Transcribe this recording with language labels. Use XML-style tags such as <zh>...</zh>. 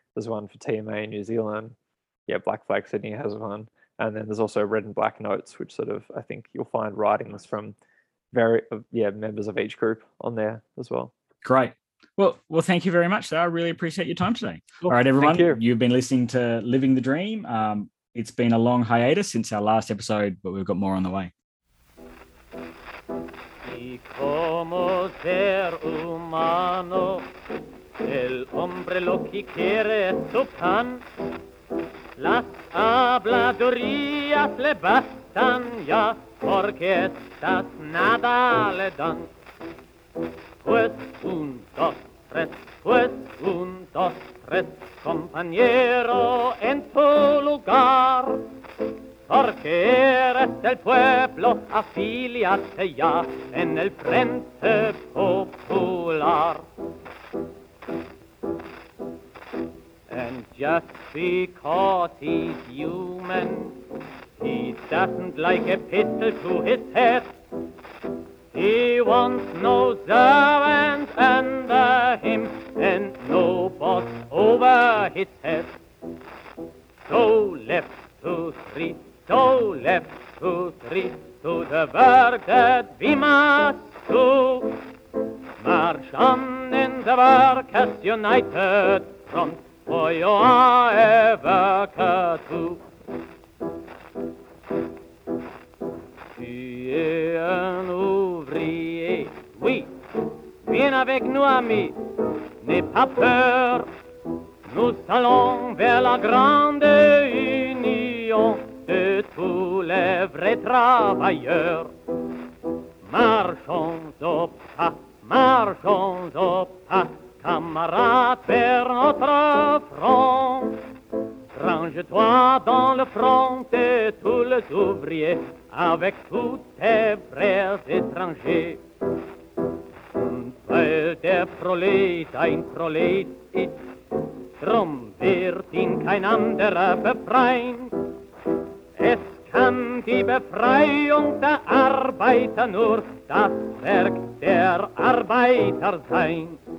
<en>There's one for TMA in New Zealand. Yeah, Black Flag Sydney has one. And then there's also Red and Black Notes, which sort of, I think you'll find writings from members of each group on there as well. Great. Well, thank you very much, though. I really appreciate your time today. Cool. All right, everyone, thank you. You've been listening to Living the Dream. It's been a long hiatus since our last episode, but we've got more on the way.</en> <es>Como ser humano, el hombre lo que quiere es su pan. Las habladurías le bastan ya, porque estas nada le dan. Pues un, dos, tres, pues un, dos, tres, compañero en tu lugar. Porque eres del pueblo, afíliate ya en el Frente Popular.</es> <en>And just because he's human, he doesn't like a pistol to his head. He wants no servants under him and no boss over his head. So left to three. So left to three, to the work that we must do. March on in the workers united front, for you are a worker too.</en> <fr>Tu es un ouvrier, oui, viens avec nous ami, n'aie pas peur. Nous allons vers la grande union de tous les vrais travailleurs. Marchons au pas, marchons au pas, camarades vers notre front. Range-toi dans le front de tous les ouvriers avec tous tes frères étrangers.</fr> <de>Un peu de prolet, ein prolet ist, drum wird ihn kein anderer befreien. Es kann die Befreiung der Arbeiter nur das Werk der Arbeiter sein.</de>